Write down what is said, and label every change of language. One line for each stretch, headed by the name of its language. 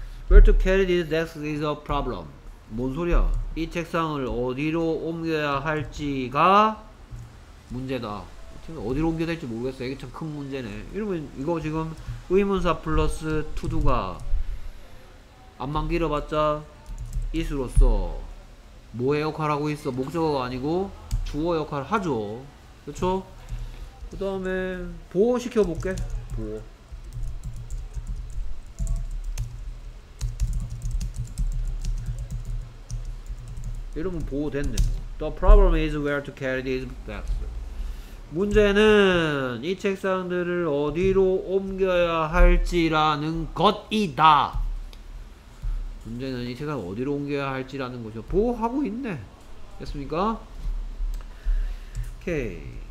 English: Where to carry these desks is a problem.
Korean: 뭔 소리야? 이 책상을 어디로 옮겨야 할지가 문제다. 어디로 옮겨야 될지 모르겠어. 이게 참 큰 문제네. 이러면 이거 지금 의문사 플러스 투두가 앞만 길어봤자 is로서 뭐의 역할을 하고 있어? 목적어가 아니고 주어 역할을 하죠. 그쵸? 그 다음에 보호 시켜볼게. 보호. 이러면 보호됐네.
English: The problem is where to carry these desks.
Korean: 문제는 이 책상들을 어디로 옮겨야 할지라는 것이다. 문제는 이 책상을 어디로 옮겨야 할지라는 거죠. 보호하고 있네. 됐습니까? 오케이.